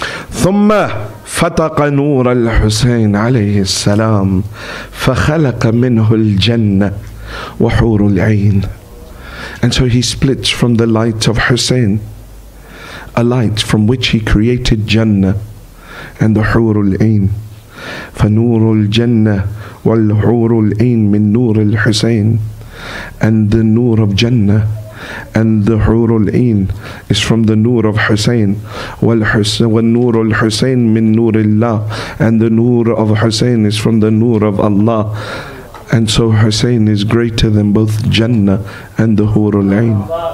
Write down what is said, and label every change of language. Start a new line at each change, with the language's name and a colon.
Arabic: ثم فتق نور الحسين عليه السلام فخلق منه الجنة وحور العين.
English: And so he splits from the light of Hussein, a light from which he created Jannah and the Hur al-Ain.
Arabic: فنور الجنة والحور العين من نور الحسين.
English: And the Noor of Jannah and the Hur al-Ain is from the Noor of Hussein.
Arabic: والنور الحسين من نور الله.
English: And the Noor of Hussein is from the Noor of Allah. And so Hussein is greater than both Jannah and the Hur al-Ain.